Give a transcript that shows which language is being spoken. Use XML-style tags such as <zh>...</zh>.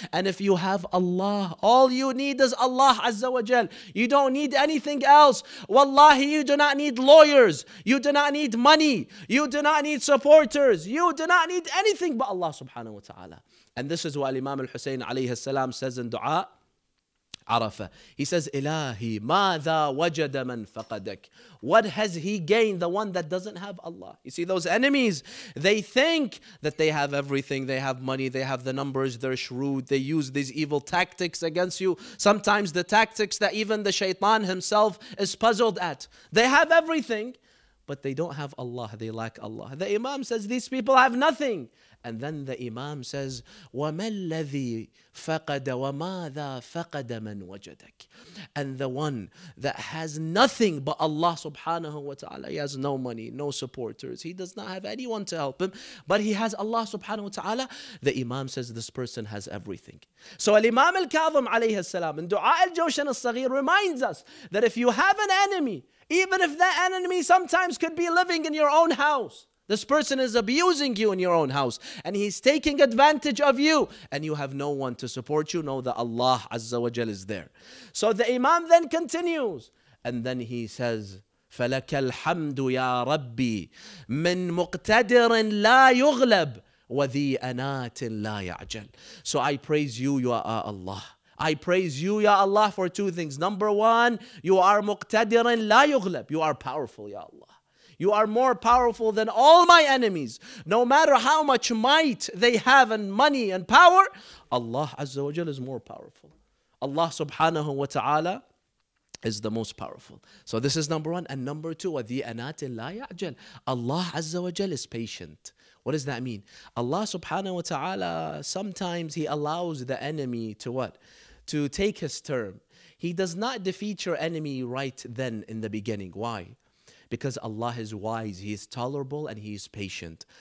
<en>And if you have Allah, all you need is Allah azza wa jal. You don't need anything else. Wallahi, you do not need lawyers. You do not need money. You do not need supporters. You do not need anything but Allah subhanahu wa ta'ala. And this is what Imam al-Husayn alayhi salam says in Dua. He says,</en> <ar>Ilahi, ماذا وجد من فقدك?</ar> <en>What has he gained, the one that doesn't have Allah? You see, those enemies, they think that they have everything. They have money, they have the numbers, they're shrewd. They use these evil tactics against you. Sometimes the tactics that even the shaitan himself is puzzled at. They have everything, but they don't have Allah. They lack Allah. The Imam says, these people have nothing. And then the Imam says,</en> <ar>وَمَا الَّذِي فَقَدَ وَمَاذَا فَقَدَ مَنْ وَجَدَكَ.</ar> <en>And the one that has nothing but Allah subhanahu wa ta'ala. He has no money, no supporters. He does not have anyone to help him. But he has Allah subhanahu wa ta'ala. The Imam says, this person has everything. So al-Imam al-Kadhim alayhi salam in Dua al-Jawshan al-Saghir reminds us that if you have an enemy, even if that enemy sometimes could be living in your own house, this person is abusing you in your own house and he's taking advantage of you and you have no one to support you. Know that Allah Azza wa Jal is there. So the Imam then continues and then he says,</en> <ar>فَلَكَ الْحَمْدُ يَا رَبِّي مِنْ مُقْتَدِرٍ لَا يُغْلَبْ وَذِي أَنَاتٍ لَا يَعْجَلْ.</ar> <en>So I praise you, Ya Allah. I praise you, Ya Allah, for two things. Number one, you are</en> <ar>مُقْتَدِرٍ لَا يُغْلَبْ.</ar> <en>You are powerful, Ya Allah. You are more powerful than all my enemies. No matter how much might they have and money and power, Allah Azza wa Jalla is more powerful. Allah Subhanahu wa Ta'ala is the most powerful. So this is number one. And number two,</en> <ar>وَذِي أَنَاتِ لَا يَعْجَلْ.</ar> <en>Allah Azza wa Jalla is patient. What does that mean? Allah Subhanahu wa Ta'ala, sometimes He allows the enemy to what? To take His term. He does not defeat your enemy right then in the beginning. Why? Because Allah is wise, He is tolerable, and He is patient.</en>